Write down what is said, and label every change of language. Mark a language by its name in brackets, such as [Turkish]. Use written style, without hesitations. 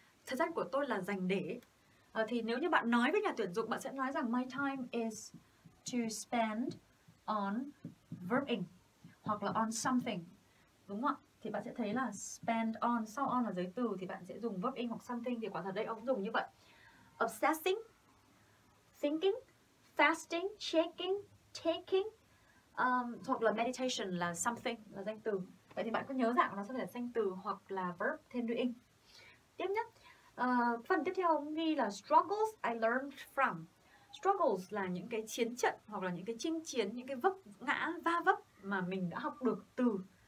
[Vietnamese] Thời gian của tôi là dành để. Thì nếu như bạn nói với nhà tuyển dụng, bạn sẽ nói rằng [English] my time is to spend on verbing [Vietnamese] hoặc là on something. Đúng không ạ? Thì bạn sẽ thấy là spend on, sau on là giới từ, thì bạn sẽ dùng verbing hoặc something. Thì quả thật đây ông dùng như vậy. [English] Obsessing, thinking, fasting, shaking, taking. [Vietnamese] Hoặc là meditation là something, là danh từ. Vậy thì bạn cứ nhớ dạng nó sẽ là danh từ hoặc là verb thêm doing. Tiếp nhất, phần tiếp theo ghi là [English] struggles I learned from. [Vietnamese] Struggles là những cái chiến trận hoặc là những cái chinh chiến, những cái vấp ngã, va vấp mà mình đã học được từ.